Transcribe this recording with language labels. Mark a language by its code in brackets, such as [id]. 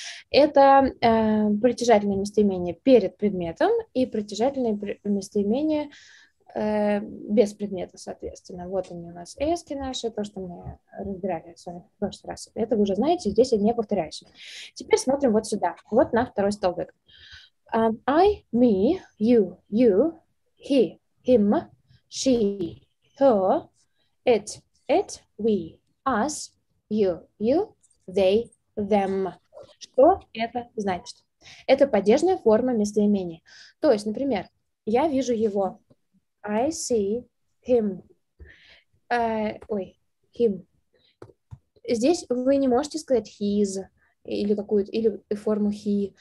[ru] Это притяжательные местоимения перед предметом и притяжательные местоимения без предмета, соответственно. Вот они у нас, эски наши, то, что мы разбирали с вами в прошлый раз. Это вы уже знаете, здесь я не повторяюсь. Теперь смотрим вот сюда, вот на второй столбик. [en] I, me, you, he, him, she, her, it, we, us, you, they, them. [ru] Что это значит? Это падежная форма местоимения. То есть, например, я вижу его. [en] I see him. Him. [ru] Здесь вы не можете сказать his. Или какую-то, или форму he.